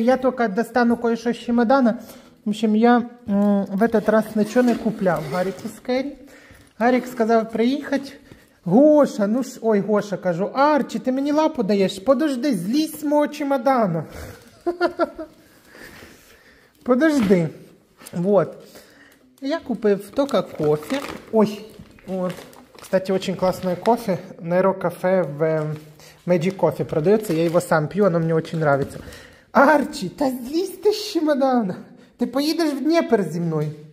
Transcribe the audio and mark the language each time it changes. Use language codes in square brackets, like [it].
[ru] Я только достану кое-что с чемодана. В общем, я в этот раз ничего не купляв. [uk] Гарик із Кері. Гарик сказав приїхати. Гоша, ну ж, ой, Гоша, кажу, Арчі, ти мені лапу даєш? Подожди, злізь з мого чемодана. Подожди. Вот. Я купив тільки кофе. Ой, от. [ru] Кстати, очень классное кофе. Nero Cafe в Magic Coffee продається. [uk] Я його сам п'ю, воно мені [ru] очень нравится. [uk] Арчі, та злізь ти з чемодана. [ru] Ты поедешь в Днепр [uk] зі мною.